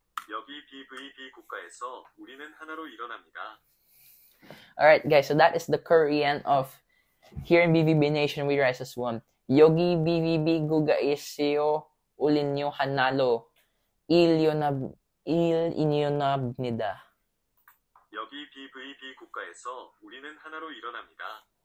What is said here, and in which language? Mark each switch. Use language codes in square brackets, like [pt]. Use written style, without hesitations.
[ko] 여기 BVB 국가에서 우리는 하나로 일어납니다. [en] Alright, guys, so that is the Korean of Here in BVB Nation, we rise as one. [ko] 여기 BVB 국가에서 우리는 하나로 일어납니다. 여기 BVB 국가에서 우리는 하나로 일어납니다.